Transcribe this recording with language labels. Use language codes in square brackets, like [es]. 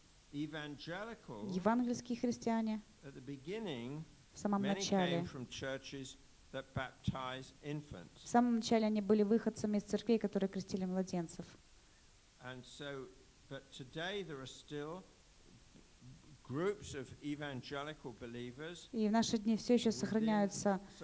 [ru] Евангельские христиане в самом начале, они были выходцами из церквей, которые крестили младенцев. [en] And so, but today there are still groups of evangelical believers. [ru] И в наши дни все еще сохраняются